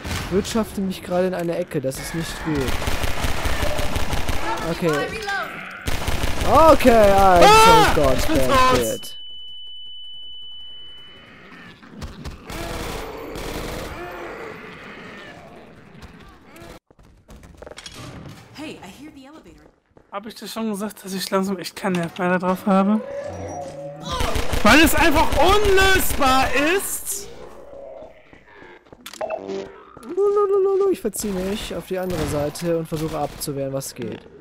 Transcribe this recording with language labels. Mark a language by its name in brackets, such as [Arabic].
[German] Wirtschafte mich gerade in eine Ecke, das ist nicht gut. Okay. Okay, [English] Gott, hey, I hear the elevator. [German] Hab ich dir schon gesagt, dass ich langsam echt keinen Nerv mehr da drauf habe? Weil es einfach unlösbar ist! Lululululu, ich verziehe mich auf die andere Seite und versuche abzuwehren, was geht.